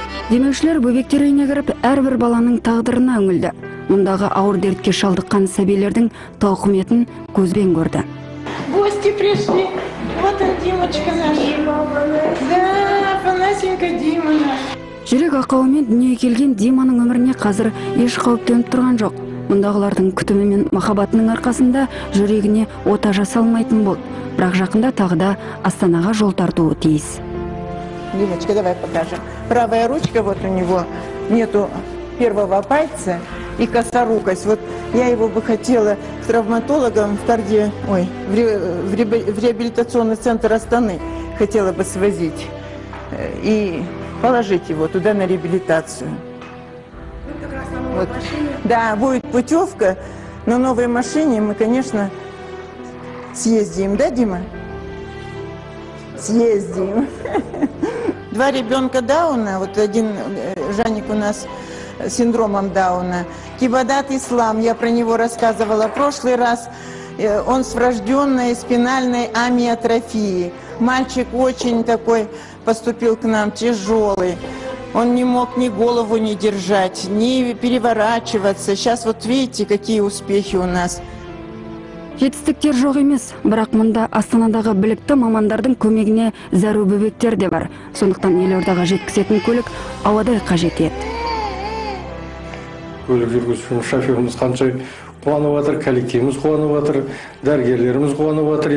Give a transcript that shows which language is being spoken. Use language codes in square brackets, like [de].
[kk] Демеушілер бөбектер үйіне кіріп, әрбір баланың тағдырына үңілді. Мұндағы ауыр дертке шалдыққан сәбилердің тауқыметін көзбен көрді. [ru] Гости пришли. Вот он, Димочка наш. Дима, да, Афанасенька Дима наш. [kk] Жүрек ақауымен дүние келген Диманың өміріне қазір еш қауіп төніп тұрған жоқ. Мұндағылардың күтімі мен махаббатының арқасында жүрегіне ота жасалмайтын болды. Бірақ жақында тағы да Астанаға жол тартуы тиіс. [ru] Димочка, давай покажем. Правая ручка, вот у него нету первого пальца и косорукость. Вот я его бы хотела к травматологам в реабилитационный центр Астаны хотела бы свозить и положить его туда на реабилитацию. Вот. Да, будет путевка, но новой машине мы, конечно, съездим, да, Дима? Съездим. Два ребенка Дауна, вот один Жаник у нас с синдромом Дауна. Кибадат Ислам, я про него рассказывала в прошлый раз. Он с врожденной спинальной амиотрофией. Мальчик очень такой поступил к нам, тяжелый. Он не мог ни голову не держать, ни переворачиваться. Сейчас вот видите, какие успехи у нас. [kk] Жетістіктер жоқ емес, бірақ мұнда Астанадағы білікті мамандардың көмегіне зәру бөбектер де бар. Сондықтан елордаға жеткізетін көлік ауадай қажет еді. Көлік жүргізушіміз, шоферіміз қанша қуанып отыр, коллективіміз қуанып отыр, дәрігерлеріміз қуанып отыр.